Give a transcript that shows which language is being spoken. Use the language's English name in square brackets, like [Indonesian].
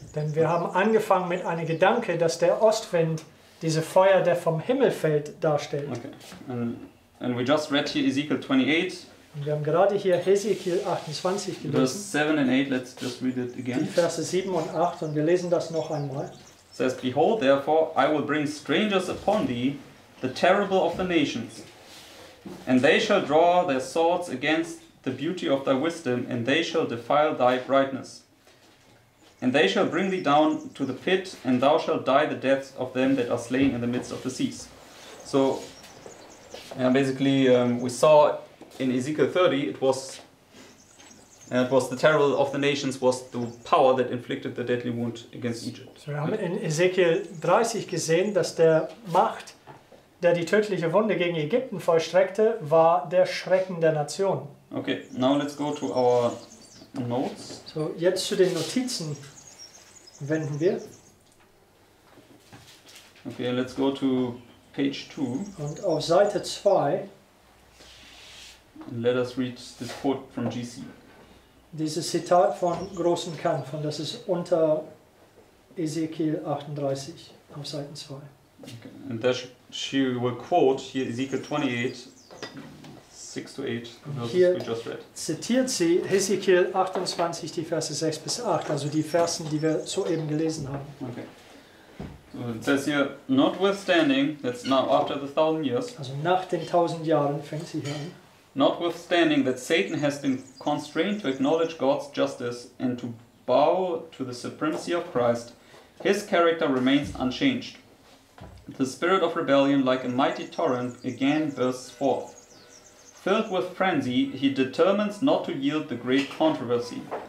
[German] Denn wir haben angefangen mit einem Gedanke, dass der Ostwind diese Feuer, der vom Himmel fällt, darstellt. [English] Okay. And we just read here Ezekiel 28. [German] Und wir haben gerade hier Hesekiel 28 gelesen. [English] Verse 7 and 8, let's just read it again. [German] Die Verse 7 und 8, und wir lesen das noch einmal. [English] It says, behold, therefore, I will bring strangers upon thee, the terrible of the nations. And they shall draw their swords against the beauty of thy wisdom, and they shall defile thy brightness. And they shall bring thee down to the pit, and thou shalt die the deaths of them that are slain in the midst of the seas. So, yeah, basically, we saw in Ezekiel 30, it was the terror of the nations was the power that inflicted the deadly wound against Egypt. [German] So, wir haben in Ezekiel 30 gesehen, dass der Macht, der die tödliche Wunde gegen Ägypten vollstreckte, war der Schrecken der Nation. [English] Okay, now let's go to our notes. [German] So, jetzt zu den Notizen wenden wir. [English] Okay, let's go to page 2. [German] Und auf Seite 2. [English] And let us read this quote from GC. [German] Dieses Zitat von Großen Kampf, und das ist unter Ezekiel 38 auf Seite 2. [English] Okay. And there she will quote here Ezekiel 28, 6 to 8, the verses we just read. [German] Zitiert sie Ezekiel 28, die Verse 6 bis 8, also die Versen, die wir soeben gelesen haben. [English] Okay. So it says here, notwithstanding, that's now after the 1,000 years. [German] Also nach den 1,000 Jahren fängt sie hier an. [English] Notwithstanding that Satan has been constrained to acknowledge God's justice and to bow to the supremacy of Christ, his character remains unchanged. The spirit of rebellion, like a mighty torrent, again bursts forth. Filled with frenzy, he determines not to yield the great controversy.